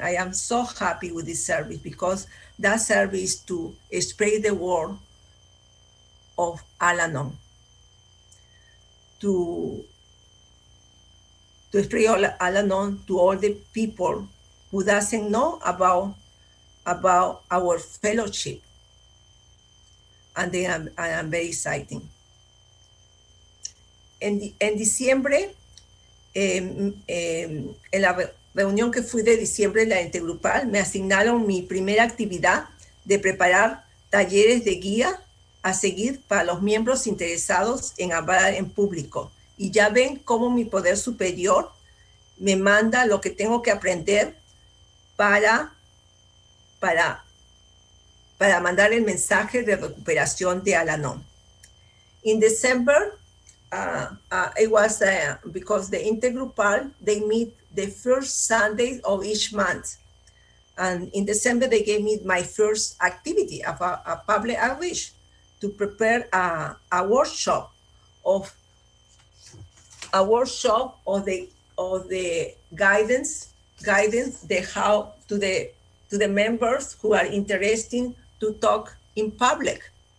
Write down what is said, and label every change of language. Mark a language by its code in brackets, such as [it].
[en] I am so happy with this service, because that service to spread the word of Al-Anon, to spread Al-Anon to all the people who doesn't know about our fellowship. And then I am very exciting. [es] En diciembre, en la reunión que fui de diciembre, la intergrupal, me asignaron mi primera actividad de preparar talleres de guía a seguir para los miembros interesados en hablar en público. Y ya ven cómo mi poder superior me manda lo que tengo que aprender para mandar el mensaje de recuperación de Al-Anon. [en] In December, it was because the intergrupal, they meet the first Sunday of each month. And in December, they gave me my first activity of a public outreach. to prepare a workshop of the guidance the how to the members who are interested to talk in public.